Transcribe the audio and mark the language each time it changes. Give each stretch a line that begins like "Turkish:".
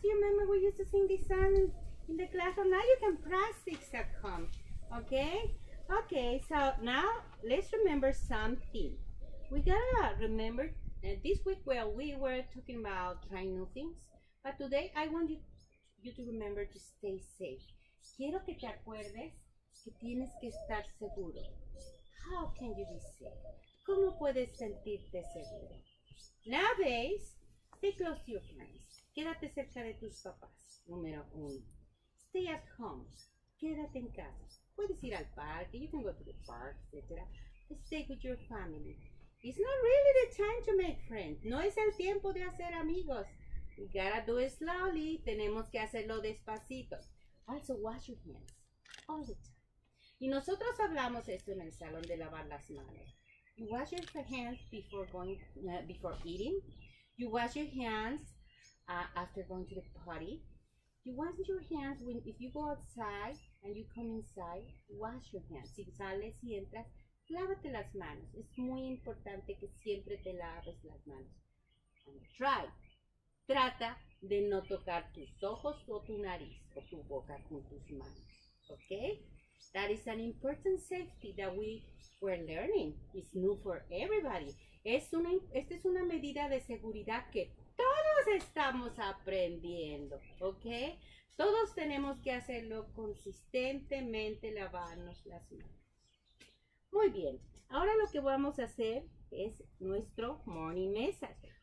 English: Do you remember we used to sing this song in the class? Well, now you can practice at home, okay? Okay, so now let's remember something. We gotta remember, this week we were talking about trying new things, but today I want you to remember to stay safe.
Spanish: Quiero que te acuerdes que tienes que estar seguro.
English: How can you be safe?
Spanish: ¿Cómo puedes sentirte seguro?
English: Nowadays, stay close to your parents.
Spanish: Quédate cerca de tus papás, número uno.
English: Stay at home.
Spanish: Quédate en casa. Puedes ir al parque.
English: You can go to the park, etc. Stay with your family. It's not really the time to make friends.
Spanish: No es el tiempo de hacer amigos.
English: We gotta do it slowly.
Spanish: Tenemos que hacerlo despacito.
English: Also, wash your hands all the time.
Spanish: Y nosotros hablamos esto en el salón de lavar las manos.
English: You wash your hands before going, before eating. You wash your hands after going to the party. You wash your hands when if you go outside and you come inside. Wash your hands.
Spanish: Si sales y entras, lávate las manos. Es muy importante que siempre te laves las manos.
English: And try.
Spanish: Trata de no tocar tus ojos o tu nariz o tu boca con tus manos.
English: Okay? That is an important safety that we were learning. It's new for everybody.
Spanish: Esta es una medida de seguridad que todos estamos aprendiendo. Okay? Todos tenemos que hacerlo consistentemente, lavarnos las manos. Muy bien. Ahora lo que vamos a hacer es nuestro morning message.